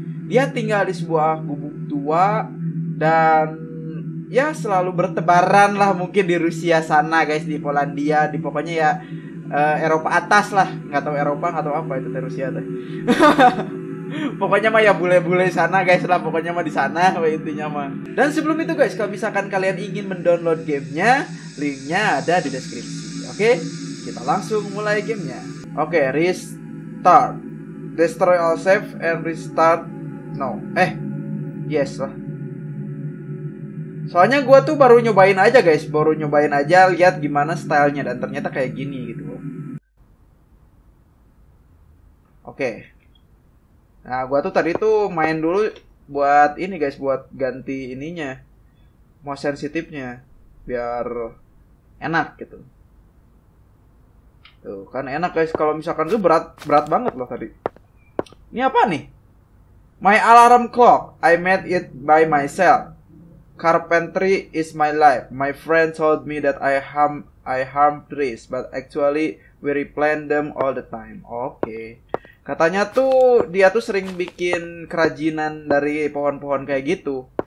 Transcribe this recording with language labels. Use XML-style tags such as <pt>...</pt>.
<id>Dia tinggal di sebuah gubuk tua dan ya selalu bertebaran lah mungkin di Rusia sana guys, di Polandia, di pokoknya ya Eropa atas lah, nggak tahu Eropa nggak tahu apa itu di Rusia tuh. Pokoknya mah ya bule-bule sana guys lah, pokoknya mah di sana intinya mah. Dan sebelum itu guys, kalau misalkan kalian ingin mendownload gamenya, linknya ada di deskripsi. Oke, kita langsung mulai gamenya.</id> <en>Oke, restart, destroy all save and restart now. Yes lah.</en> <id>Soalnya gue tuh baru nyobain aja guys, baru nyobain aja lihat gimana stylenya dan ternyata kayak gini gitu. Oke. Nah gue tuh tadi tuh main dulu buat ini guys, buat ganti ininya, mouse sensitifnya biar enak gitu. Tuh kan enak guys, kalau misalkan tuh berat berat banget loh tadi. Ini apa nih?</id> <en>My alarm clock, I made it by myself. Carpentry is my life. My friend told me that I harm trees, but actually we replant them all the time.</en> <id>Oke. Katanya tuh dia tuh sering bikin kerajinan dari pohon-pohon kayak gitu.</id>